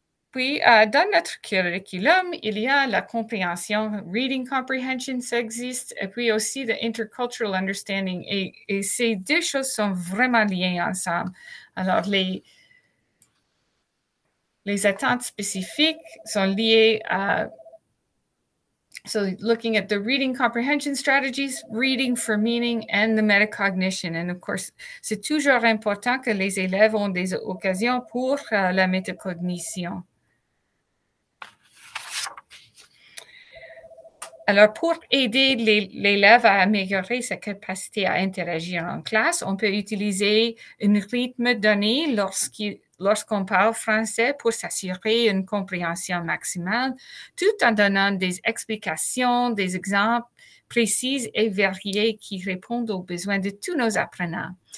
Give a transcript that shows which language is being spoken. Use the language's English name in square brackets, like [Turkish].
[French] Puis, dans notre curriculum, il y a la compréhension, [English] reading comprehension, [French] ça existe, et puis aussi [English] the intercultural understanding. [French] Et ces deux choses sont vraiment liées ensemble. Alors, les attentes spécifiques sont liées à. [English] So, looking at the reading comprehension strategies, reading for meaning, and the metacognition. And of course, [French] c'est toujours important que les élèves ont des occasions pour la métacognition. Alors, pour aider l'élève à améliorer sa capacité à interagir en classe, on peut utiliser un rythme donné lorsqu'on parle français pour s'assurer une compréhension maximale, tout en donnant des explications, des exemples précises et variées qui répondent aux besoins de tous nos apprenants.